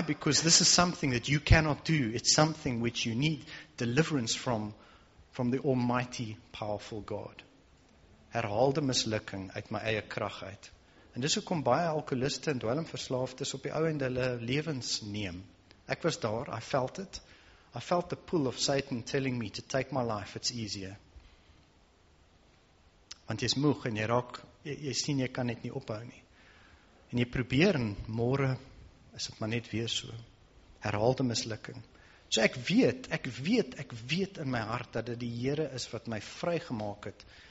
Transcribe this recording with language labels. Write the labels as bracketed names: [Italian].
[English] Because this is something that you cannot do. It's something which you need deliverance from the almighty, powerful God. [Afrikaans] Herhaalde mislukking uit my eie krag uit. En dis hoekom baie alkoholiste en dwelmverslaafdes op die ou end hulle lewens neem. Ek was daar, [English] I felt it. I felt the pull of Satan telling me to take my life, it's easier. [Afrikaans] Want jy is moeg en jy raak, jy sien jy kan net nie ophou nie. En jy probeer en môre is het maar net weer so. Herhaalde mislukking. So ek weet in my hart dat dit die Here is wat my vrygemaak het.